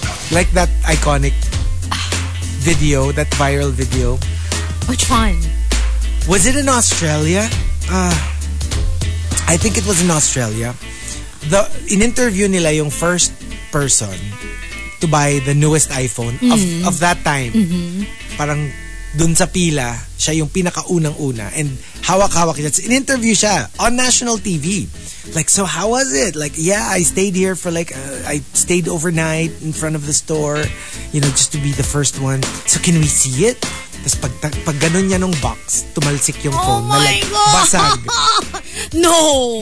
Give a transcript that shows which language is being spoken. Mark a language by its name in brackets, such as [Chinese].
[English] Like that iconic video, that viral video. Which one? Was it in Australia? I think it was in Australia. In interview [Filipino] nila yung [English] first person to buy the newest iPhone of that time. Mm-hmm. [Filipino] Parang dun sa pila, siya yung pinakaunang-una. [English] And [Filipino] hawak-hawak niya. [English] In interview [Filipino] siya [English] on national TV. Like, so how was it? Like, yeah, I stayed here for like, I stayed overnight in front of the store, you know, just to be the first one. So can we see it? [Filipino] Tapos pag ganun niya nung box, tumalsik yung phone. Oh na like, [English] God. [Filipino] Basag. [English] No!